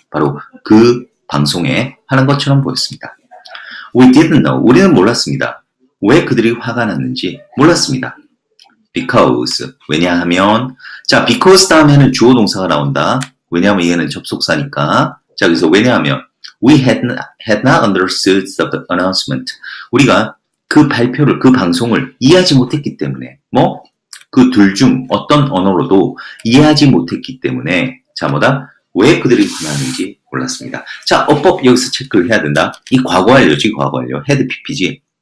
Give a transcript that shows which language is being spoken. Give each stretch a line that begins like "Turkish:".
Korean: 바로 그 방송에 화난 것처럼 보였습니다.
English: We didn't know,
Korean: 우리는 몰랐습니다. 왜 그들이 화가 났는지 몰랐습니다. Because, 왜냐하면, 자, because 다음에는 주어 동사가 나온다. 왜냐하면 얘는 접속사니까. 자, 그래서 왜냐하면
English: we had not understood the announcement.
Korean: 우리가 그 발표를, 그 방송을 이해하지 못했기 때문에. 뭐? 그 둘 중 어떤 언어로도 이해하지 못했기 때문에. 자, 뭐다? 왜 그들이 화나는지 몰랐습니다. 자, 어법 여기서 체크를 해야 된다. 이 과거완료지, 과거완료.
English: head pp지.